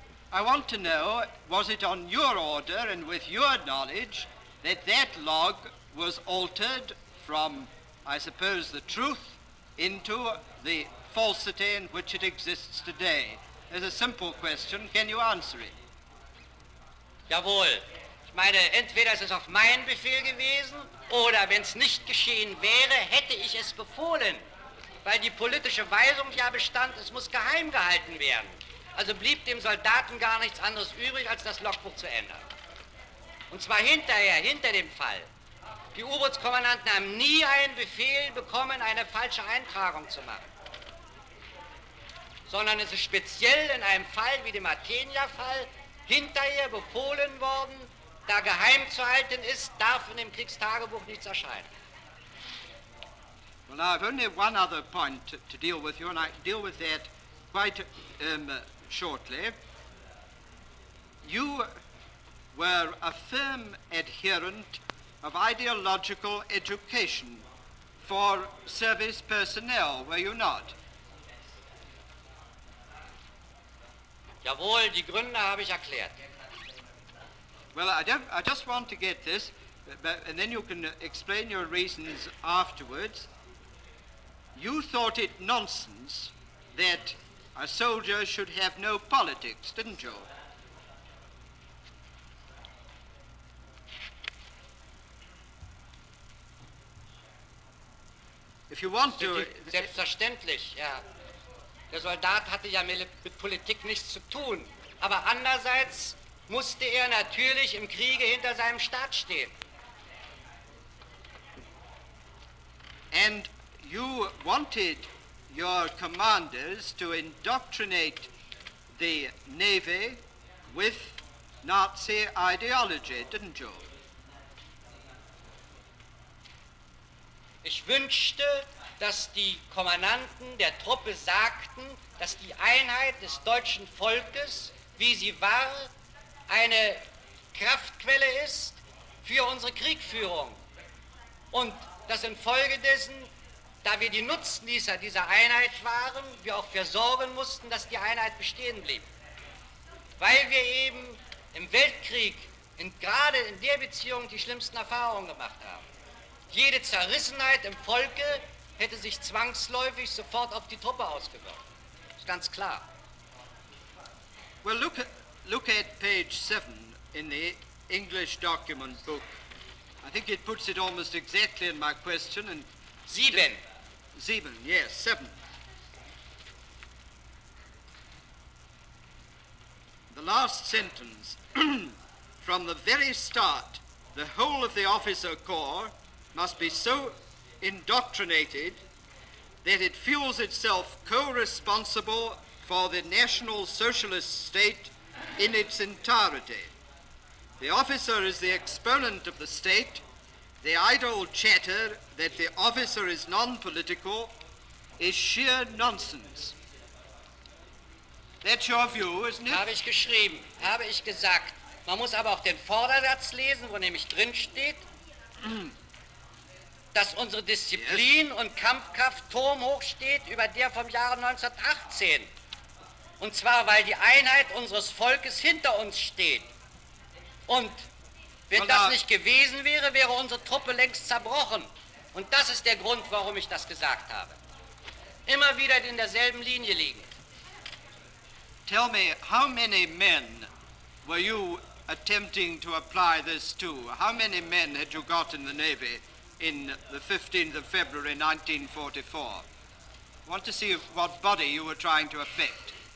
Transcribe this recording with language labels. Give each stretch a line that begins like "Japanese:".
English: I want to know, was it on your order and with your knowledge that that log was altered from, I suppose, the truth into the falsity in which it exists today? There's a simple question. Can you answer it?
German: Jawohl. Ich meine, entweder ist es auf meinen Befehl gewesen, oder wenn es nicht geschehen wäre, hätte ich es befohlen. Weil die politische Weisung ja bestand, es muss geheim gehalten werden. Also blieb dem Soldaten gar nichts anderes übrig, als das Logbuch zu ändern. Und zwar hinter dem Fall. Die U-Bootskommandanten haben nie einen Befehl bekommen, eine falsche Eintragung zu machen. Sondern es ist speziell in einem Fall wie dem Athenia-Fall hinterher befohlen worden, da geheim zu halten ist, darf in dem Kriegstagebuch nichts erscheinen.
English: Well, now I've only one other point to deal with you, and I can deal with that quite shortly. You were a firm adherent of ideological education for service personnel, were you not?
German: Jawohl, die Gründe habe ich erklärt.
English: Well, I just want to get this, but, and then you can explain your reasons afterwards. You thought it nonsense that a soldier should have no politics, didn't you? If you want to...
German: Selbstverständlich, ja. Der Soldat hatte ja mit Politik nichts zu tun. Aber andererseits musste er natürlich im Kriege hinter seinem Staat stehen.
English: And you wanted your commanders to indoctrinate the Navy with Nazi ideology, didn't you?
German: Ich wünschte, dass die Kommandanten der Truppe sagten, dass die Einheit des deutschen Volkes, wie sie war, eine Kraftquelle ist für unsere Kriegführung. Und dass infolgedessen, da wir die Nutznießer dieser Einheit waren, wir auch für sorgen mussten, dass die Einheit bestehen blieb. Weil wir eben im Weltkrieg, gerade in der Beziehung, die schlimmsten Erfahrungen gemacht haben. Jede Zerrissenheit im Volke hätte sich zwangsläufig sofort auf die Truppe ausgewirkt. Ist ganz klar.
English: Well, look at page 7 in the English document book. I think it puts it almost exactly in my question. And
German: sieben. Sieben,
English: yes, seven. The last sentence. From the very start, the whole of the officer corps must be so indoctrinated that it feels itself co-responsible for the National Socialist State in its entirety. The officer is the exponent of the state. The idle chatter that the officer is non-political is sheer nonsense. That's your view, isn't it?
German: Habe ich geschrieben, habe ich gesagt. Man muss aber auch den Vordersatz lesen, wo nämlich drin steht, dass unsere Disziplin,
English: yes,
German: und Kampfkraft turmhoch steht über der vom Jahre 1918. Und zwar, weil die Einheit unseres Volkes hinter uns steht. Und wenn das nicht gewesen wäre, wäre unsere Truppe längst zerbrochen. Und das ist der Grund, warum ich das gesagt habe. Immer wieder in derselben Linie liegen.
English: Tell me, how many men were you attempting to apply this to? How many men had you got in the Navy in the 15th of February 1944? I want to see what body you were trying to affect.